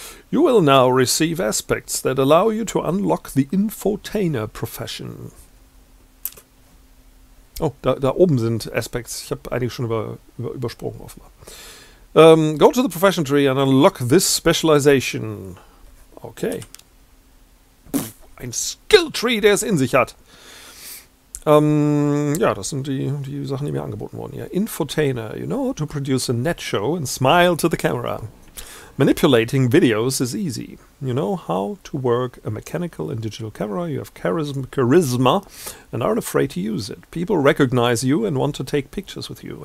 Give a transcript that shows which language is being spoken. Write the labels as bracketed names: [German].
[English] You will now receive aspects that allow you to unlock the Infotainer profession. [German] Oh, da oben sind Aspects. Ich habe einige schon übersprungen, offenbar. [English] Go to the profession tree and unlock this specialization. Okay. [German] Pff, ein Skill Tree, der es in sich hat. Ja, das sind die Sachen, die mir angeboten wurden hier. [English] Infotainer, you know, to produce a net show and smile to the camera. Manipulating videos is easy. You know how to work a mechanical and digital camera. You have charisma and aren't afraid to use it. People recognize you and want to take pictures with you.